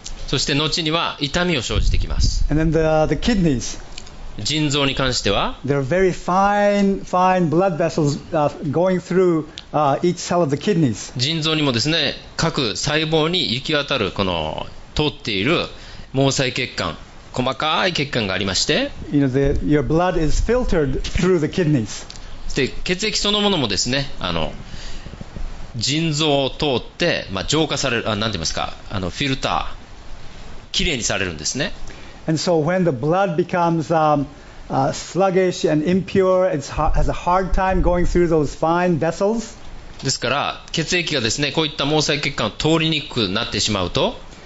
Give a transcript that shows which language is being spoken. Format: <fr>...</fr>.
<ja>そして後には痛みを生じてきます。</ja> <en>And then the kidneys.</en> <ja>腎臓に関しては</ja> <en>There are very fine blood vessels going throughEach cell of the kidneys.</en> <ja>腎臓にもですね、各細胞に行き渡るこの通っている毛細血管、細かい血管がありまして、</ja> <en>your blood is filtered through the kidneys.</en> <ja>で、血液そのものもですね、腎臓を通って、浄化される、なんて言いますか、フィルター、きれいにされるんですね。</ja> <en>And so when the blood becomes, sluggish and impure, it has a hard time going through those fine vessels.</en> <ja>ですから血液がですね、こういった毛細血管を通りにくくなってしまうと、</ja>